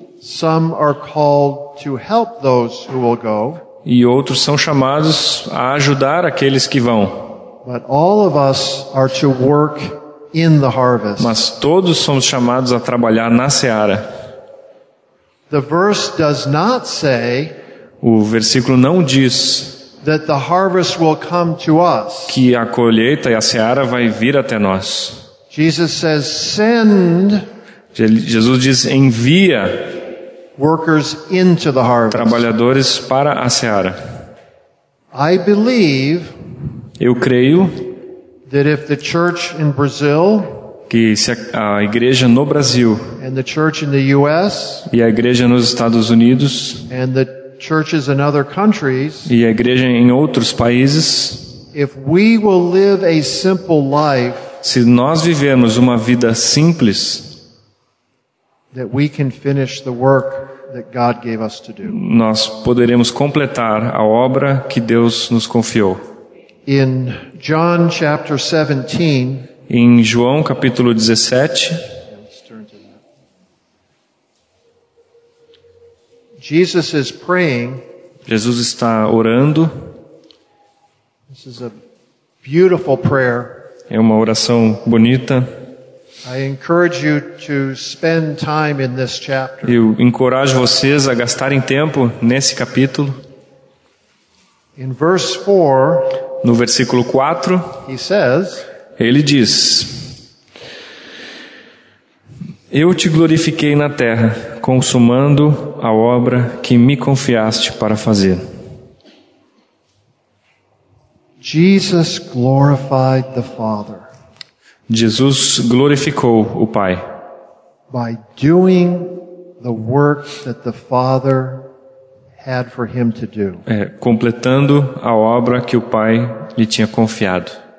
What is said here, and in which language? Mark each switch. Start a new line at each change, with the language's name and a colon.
English: Some are called to help those who will go.
Portuguese: E outros são chamados a ajudar aqueles que vão.
English: But all of us are to work in the harvest.
Portuguese: Mas todos somos chamados a trabalhar na seara.
English: The verse does not say.
Portuguese: O versículo não diz.
English: That the harvest will come to us.
Portuguese: Que a colheita e a seara vai vir até nós.
English: Jesus says, send.
Portuguese: Jesus diz, envia.
English: Workers into the harvest.
Portuguese: Trabalhadores para a seara.
English: I believe.
Portuguese: Eu creio.
English: That if the church in Brazil.
Portuguese: Que se a igreja no Brasil.
English: And the church in the U.S.
Portuguese: E a igreja nos Estados Unidos.
English: And the churches in other countries.
Portuguese: E a igreja em outros países.
English: If we will live a simple life.
Portuguese: Se nós vivermos uma vida simples.
English: That we can finish the work that God gave us to do.
Portuguese: Nós poderemos completar a obra que Deus nos confiou.
English: In John chapter 17.
Portuguese: Em João capítulo 17.
English: Jesus is praying.
Portuguese: Jesus está orando.
English: This is a beautiful prayer.
Portuguese: É uma oração bonita.
English: I encourage you to spend time in this chapter.
Portuguese: Eu encorajo vocês a gastarem tempo nesse capítulo.
English: In verse 4,
Portuguese: no versículo 4,
English: he says,
Portuguese: ele diz: Eu te glorifiquei na terra, consumando a obra que me confiaste para fazer.
English: Jesus glorified the Father.
Portuguese: Jesus glorificou o Pai.
English: By doing the work that the Father had for him to do.
Portuguese: É, completando a obra que o Pai lhe tinha confiado.